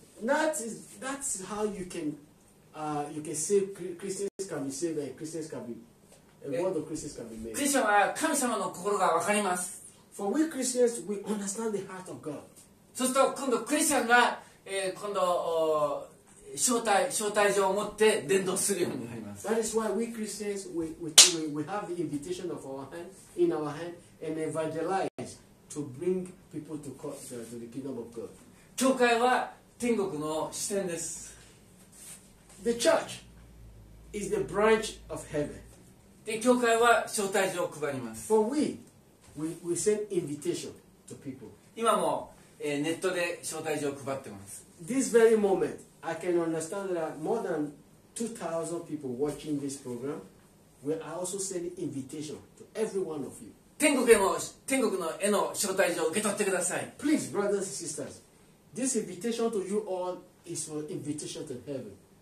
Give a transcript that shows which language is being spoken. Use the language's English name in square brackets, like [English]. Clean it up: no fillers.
[English] That's how you can save Christians can be saved and Christians can be a world of Christians can be made. [Japanese] クリスチャンは神様の心がわかります。 [English] For we Christians, we understand the heart of God. [Japanese] そうすると今度クリスチャンが、今度招待状を持って伝道するようになります。 [English] That is why we Christians we have the invitation of our hand in our hand and evangelize to bring people to the kingdom of God. [Japanese] 教会は天国の支点です。 [English] The church is the branch of heaven. [Japanese] で、教会は招待状を配ります。 [English] For we send invitation to people. [Japanese] 今も、ネットで招待状を配ってます。 [English] This very moment, I can understand that more than 2,000 people watching this program, we are also sending invitation to every one of you. [Japanese] 天国への招待状を受け取ってください。 [English] Please, brothers and sisters, this invitation to you all is for invitation to heaven.